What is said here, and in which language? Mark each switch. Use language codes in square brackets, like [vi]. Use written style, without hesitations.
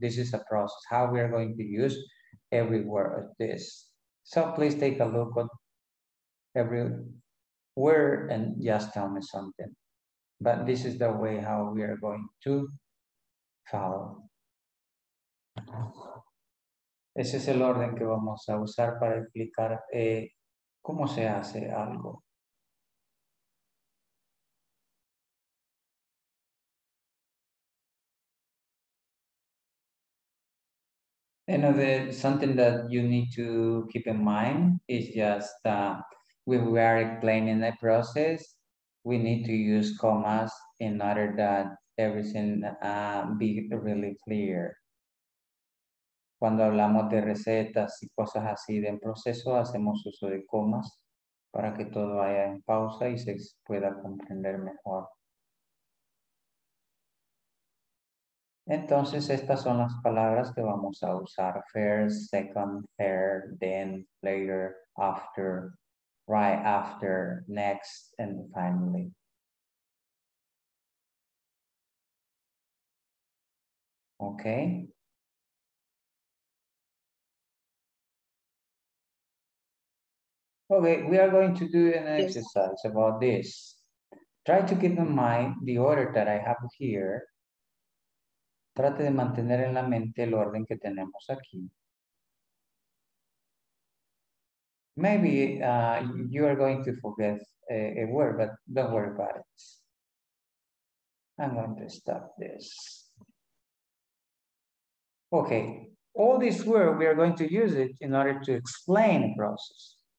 [en] This is a process how we are going to use every word of this. So please take a look at every word and just tell me something. But this is the way how we are going to follow. [es] Ese es el orden que vamos a usar para explicar cómo se hace algo. [en] Another something that you need to keep in mind is just that when we are explaining the process, we need to use commas in order that everything be really clear. [es] Cuando hablamos de recetas y cosas así del proceso, hacemos uso de comas para que todo vaya en pausa y se pueda comprender mejor. Entonces, estas son las palabras que vamos a usar. [en] First, second, third, then, later, after, right after, next, and finally. Okay. Okay, we are going to do an exercise about this. Try to keep in mind the order that I have here. [es] Trate de mantener en la mente el orden que tenemos aquí. [en] Maybe you are going to forget a word, but don't worry about it. I'm going to stop this. Okay, all this word, we are going to use it in order to explain the process.